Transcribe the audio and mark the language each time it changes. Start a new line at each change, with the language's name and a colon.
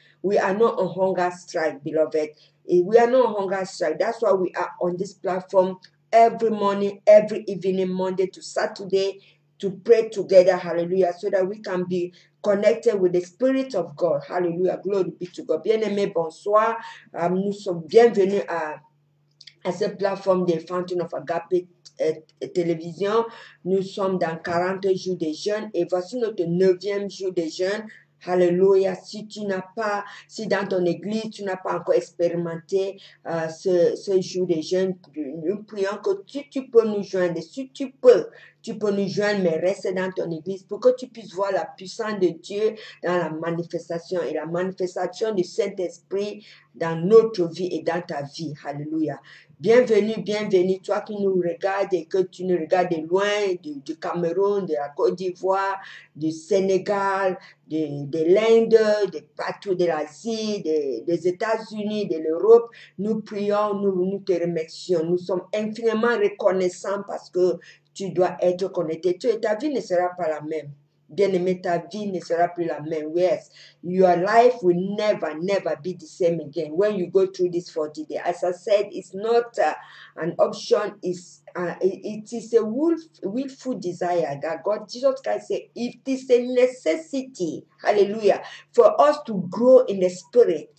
English: We are not on hunger strike, beloved. We are not on hunger strike. That's why we are on this platform every morning, every evening, Monday to Saturday, to pray together, hallelujah, so that we can be connected with the Spirit of God. Hallelujah. Glory be to God.
French: Bien-aimé, bonsoir. Nous sommes bienvenus à cette plateforme des Fountain of Agape Télévision. Nous sommes dans 40 jours de jeûne et voici notre 9e jour de jeûne. Hallelujah. Si tu n'as pas, si dans ton église, tu n'as pas encore expérimenté ce jour de jeûne, nous prions que tu peux nous joindre. Si tu peux, tu peux nous joindre, mais reste dans ton église pour que tu puisses voir la puissance de Dieu dans la manifestation et la manifestation du Saint-Esprit dans notre vie et dans ta vie. Hallelujah. Bienvenue, bienvenue, toi qui nous regardes et que tu nous regardes de loin, du Cameroun, de la Côte d'Ivoire, du Sénégal, de l'Inde, de partout de l'Asie, des États-Unis, de l'Europe. Nous prions, nous te remercions. Nous sommes infiniment reconnaissants parce que tu dois être connecté. Ta vie ne sera pas la même. Bien-aimé, ta vie ne sera plus la même.
English: Yes, your life will never, never be the same again when you go through this 40 days. As I said, it's not an option. It is a willful desire that God, Jesus Christ, said it is a necessity, hallelujah, for us to grow in the Spirit.